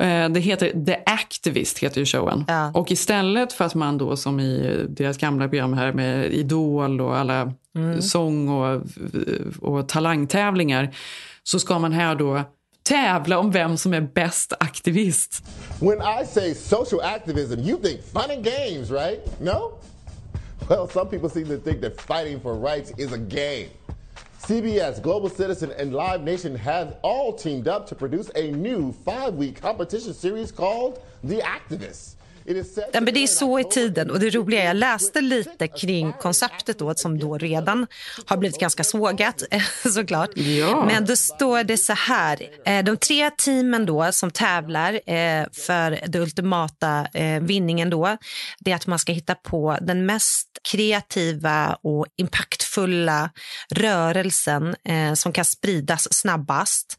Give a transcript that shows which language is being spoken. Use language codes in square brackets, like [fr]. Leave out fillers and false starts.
[sv] Det heter The Activist, heter ju showen. Ja. Och istället för att man då, som i deras gamla program här med Idol och alla sång och talangtävlingar, så ska man här då tävla om vem som är bäst aktivist. [en] When I say social activism, you think fun and games, right? No? Well, some people seem to think that fighting for rights is a game. CBS, Global Citizen, and Live Nation have all teamed up to produce a new 5-week competition series called The Activist. [sv] Men det är så i tiden, och det roliga är jag läste lite kring konceptet då, som då redan har blivit ganska sågat, såklart. Ja. Men då står det så här, de tre teamen då som tävlar för den ultimata vinningen då, det är att man ska hitta på den mest kreativa och impactfulla rörelsen som kan spridas snabbast.